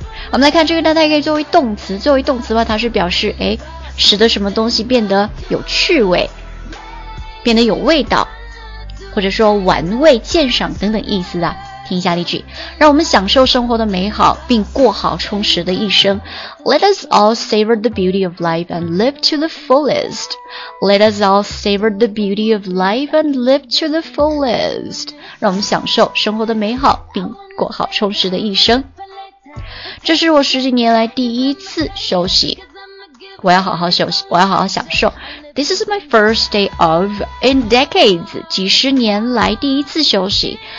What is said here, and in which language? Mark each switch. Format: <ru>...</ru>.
<zh>我们来看这个单词，它可以作为动词，作为动词的话，它是表示哎，使得什么东西变得有趣味，变得有味道，或者说玩味、鉴赏等等意思啊。听一下例句，让我们享受生活的美好，并过好充实的一生。</zh> <en>Let us all savor the beauty of life and live to the fullest. Let us all savor the beauty of life and live to the fullest.</en> <zh>让我们享受生活的美好，并过好充实的一生。这是我十几年来第一次休息，我要好好休息，我要好好享受。</zh> <en>This is my first day of in decades,</en> <zh>几十年来第一次休息。</zh>